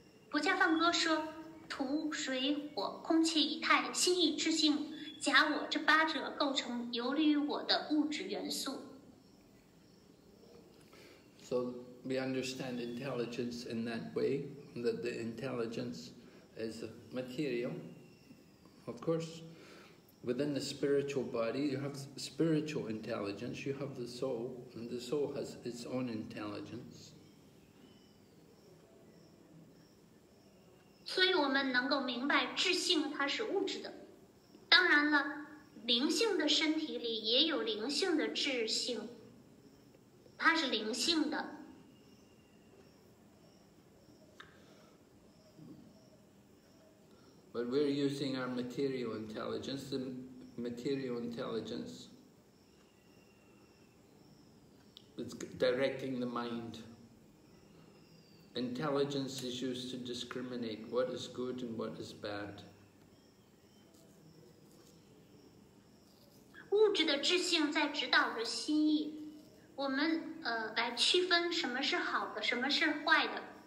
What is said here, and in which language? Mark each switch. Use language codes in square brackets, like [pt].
[zh] 佛家梵歌说，土、水、火、空气、仪态、心意、智性、假我，这八者构成游离于我的物质元素。 [en] So we understand intelligence in that way, that the intelligence is a material, of course. Within the spiritual body, you have spiritual intelligence, you have the soul, and the soul has its own intelligence. [zh] 所以我们能够明白智性它是物质的。当然了，灵性的身体里也有灵性的智性，它是灵性的。 [en] But we're using our material intelligence, the material intelligence is directing the mind. Intelligence is used to discriminate what is good and what is bad. [zh] 物质的智性在指导着心意，我们来区分什么是好的，什么是坏的。